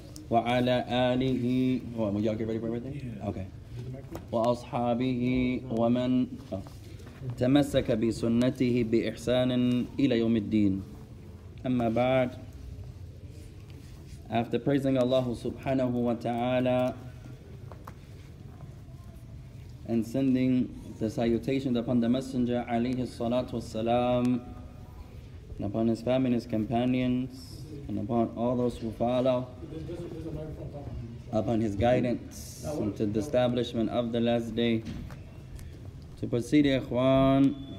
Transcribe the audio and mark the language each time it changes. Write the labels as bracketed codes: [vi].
[ar] وعلى آله [en] would y'all get ready for everything? Yeah. Okay. [ar] وأصحابه ومن تمسك بسنته بإحسان إلى يوم الدين. أما بعد, [en] after praising Allah subhanahu wa ta'ala and sending the salutations upon the Messenger alayhi salatu wasalam and upon his family and his companions and upon all those who follow, upon his guidance into the establishment of the last day, to proceed, ikhwan.